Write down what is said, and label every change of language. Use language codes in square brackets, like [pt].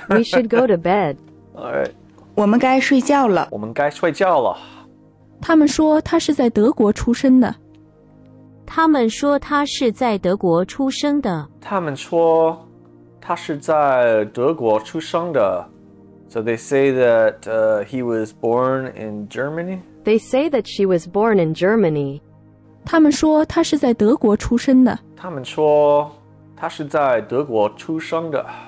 [en] We should go to bed. All right. [zh] 我们该睡觉了。我们该睡觉了。他们说他是在德国出生的。他们说他是在德国出生的。他们说他是在德国出生的。 [en] So they say that he was born in Germany? They say that she was born in Germany. [zh] 他们说他是在德国出生的。他们说他是在德国出生的。